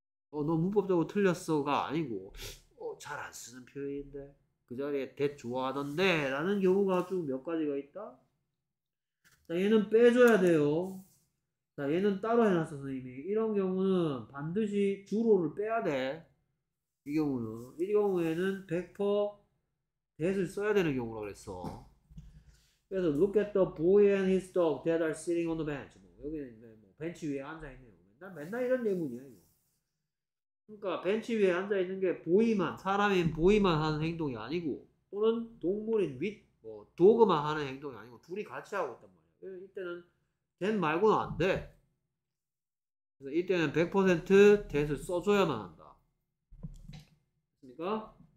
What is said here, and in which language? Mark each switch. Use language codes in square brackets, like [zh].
[ko] 너 문법적으로 틀렸어가 아니고 잘 안 쓰는 표현인데 그 자리에 that 좋아하던데 라는 경우가 좀 몇 가지가 있다. 자, 얘는 빼줘야 돼요. 자, 얘는 따로 해놨어 선생님이. 이런 경우는 반드시 주로를 빼야 돼. 이 경우는 이 경우에는 100% that을 써야 되는 경우라고 그랬어. 그래서 [en] look at the boy and his dog that are sitting on the bench. [ko] 여기는 뭐 벤치 위에 앉아있네요. 맨날 이런 예문이야 이거. 그러니까 벤치 위에 앉아있는 게 보이만, 사람인 보이만 하는 행동이 아니고 또는 동물인 윗, 뭐 도그만 하는 행동이 아니고 둘이 같이 하고 있단 말이야. 이때는 that 말고는 안 돼. 그래서 이때는 100% that을 써줘야만 한다. 그러니까